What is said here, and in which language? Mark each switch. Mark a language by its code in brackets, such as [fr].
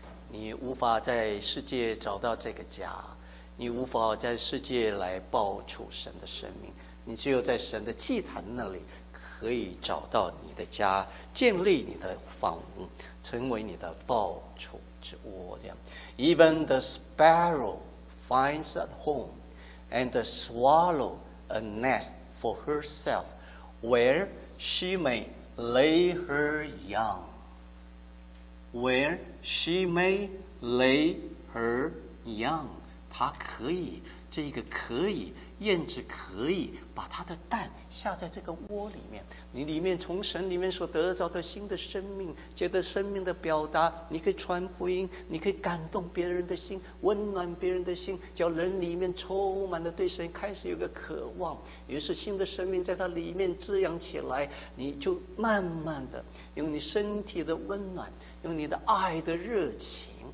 [zh] 你无法在世界找到这个家，你无法在世界来报处神的生命，你只有在神的祭坛那里可以找到你的家，建立你的房屋，成为你的报处之窝。 [en] Even the sparrow finds a home and the swallow a nest for herself where she may lay her young. Where she may lay her young， [zh] 她可以这一个可以，燕子可以把它的蛋下在这个窝里面，你里面从神里面所得到的新的生命，借着生命的表达，你可以传福音，你可以感动别人的心，温暖别人的心，叫人里面充满了对神开始有个渴望，于是新的生命在它里面滋养起来，你就慢慢的用你身体的温暖，用你的爱的热情